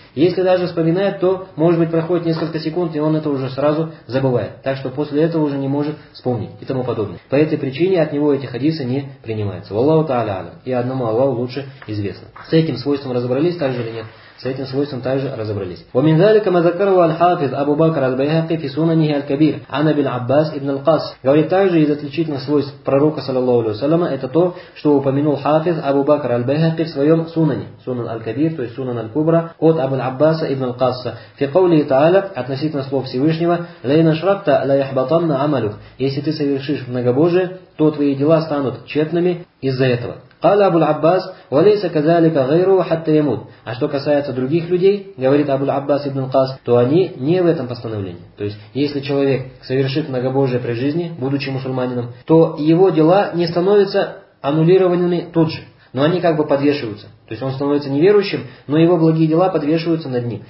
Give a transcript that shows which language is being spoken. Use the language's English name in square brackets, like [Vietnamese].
[Russian] Если даже вспоминает, то, может быть, проходит несколько секунд, и он это уже сразу забывает. Так что после этого уже не может вспомнить и тому подобное. По этой причине от него эти хадисы не принимаются. Валлаху тааля алям. И одному Аллаху лучше известно. С этим свойством разобрались, так же или нет? С этим свойством также разобрались. [Arabic] ومن ذلك ما ذكره الحافظ أبو بكر البيهقي في سننه الكبير عن ابن عباس ابن القاس. [Russian] Говорит, также из отличительных свойств пророка саллаллаху алейхи ва саллям это то, что упомянул хафиз Абу Бакр аль-Байхаки в своем сунане, сунан аль-Кабир, то есть сунан аль-Кубра, от Абу аль-Аббаса ибн аль-Касса, [Arabic] في قوله تعالى [Russian] относительно слов Всевышнего: [Arabic] لئن أشركت ليحبطن عملك. [Russian] Если ты совершишь многобожие, то твои дела станут тщетными из-за этого. [Arabic] قال أبو العباس وليس كذلك غيره حتى يموت. [Russian] А что касается других людей, говорит Абу аль-Аббас ибн аль-Кас, то они не в этом постановлении. То есть, если человек совершит многобожие при жизни, будучи мусульманином, то его дела не становятся аннулированными тут же. Но они как бы подвешиваются. То есть он становится неверующим, но его благие дела подвешиваются над ним.